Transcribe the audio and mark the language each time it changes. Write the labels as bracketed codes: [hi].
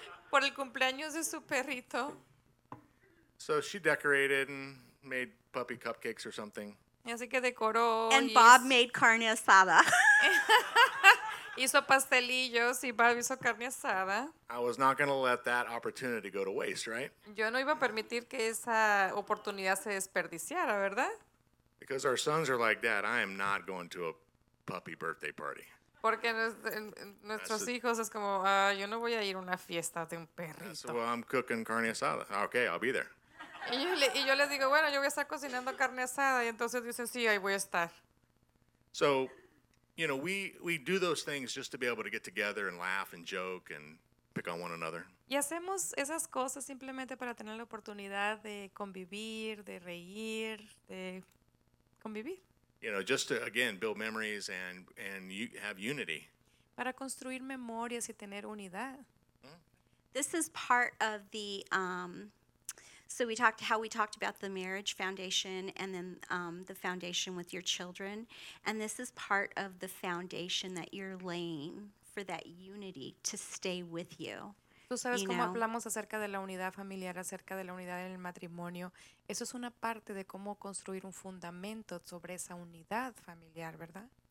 [es] Por el cumpleaños de su perrito. [en] So she decorated and made puppy cupcakes or something. [es] Así que decoró. [en] And Bob made carne asada. [es] Hizo pastelillos y Bob hizo carne asada. [en] I was not going to let that opportunity go to waste, right? [es] Yo no iba a permitir que esa oportunidad se desperdiciara, ¿verdad? [en] Because our sons are like, "Dad, I am not going to a puppy birthday party." [es] Porque nuestros hijos es como, yo no voy a ir a una fiesta de un perrito. [en] So, well, I'm cooking carne asada. Okay, I'll be there. [es] Y yo les digo, bueno, yo voy a estar cocinando carne asada. Y entonces dicen, sí, ahí voy a estar. [en] So, you know, we do those things just to be able to get together and laugh and joke and pick on one another. [es] Y hacemos esas cosas simplemente para tener la oportunidad de convivir, de reír, de convivir. [en] You know, just to, again, build memories and you have unity. [es] Para construir memorias y tener unidad. Mm-hmm. [en] This is part of the, so we talked about the marriage foundation and then the foundation with your children. And this is part of the foundation that you're laying for that unity to stay with you. [es] Tú sabes cómo hablamos acerca de la unidad familiar, acerca de la unidad en el matrimonio. Eso es una parte de cómo construir un fundamento sobre esa unidad familiar, ¿verdad?